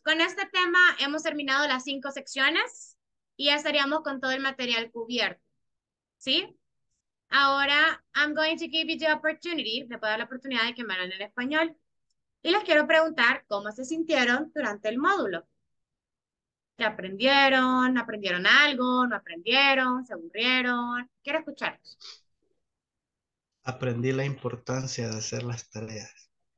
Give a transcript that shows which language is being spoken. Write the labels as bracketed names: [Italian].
[Spanish] Con este tema hemos terminado las 5 secciones y ya estaríamos con todo el material cubierto. ¿Sí? [English] Ahora, I'm going to give you the opportunity. [Spanish] Le puedo dar la oportunidad de que me hablen en español. Y les quiero preguntar cómo se sintieron durante el módulo. ¿Qué aprendieron? ¿Aprendieron algo? ¿No aprendieron? ¿Se aburrieron? Quiero escucharlos. Aprendí la importancia de hacer las tareas.